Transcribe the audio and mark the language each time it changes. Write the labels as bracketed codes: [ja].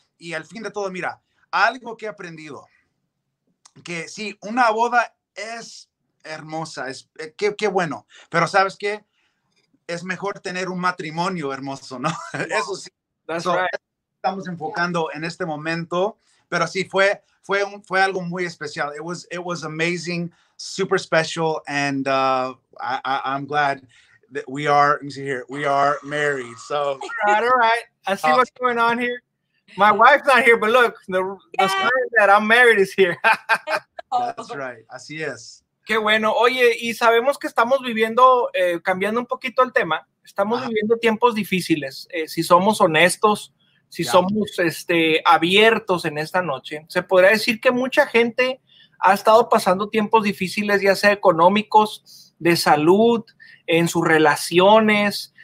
[es] Y al fin de todo, mira, algo que he aprendido, que sí, una boda es hermosa, qué bueno, pero ¿sabes qué? Es mejor tener un matrimonio hermoso, ¿no? Eso sí. [en] That's right. [es] Estamos enfocando en este momento, pero sí, fue algo muy especial. [en] It was amazing, super special, and I'm glad that we are married. So all right. I see what's going on here. My wife's not here, but look, the sign that I'm married is here. That's right. [es] Así es. Qué bueno. Oye, y sabemos que estamos viviendo, cambiando un poquito el tema, estamos viviendo tiempos difíciles. Si somos honestos, si somos abiertos en esta noche, se podría decir que mucha gente ha estado pasando tiempos difíciles, ya sea económicos, de salud, en sus relaciones,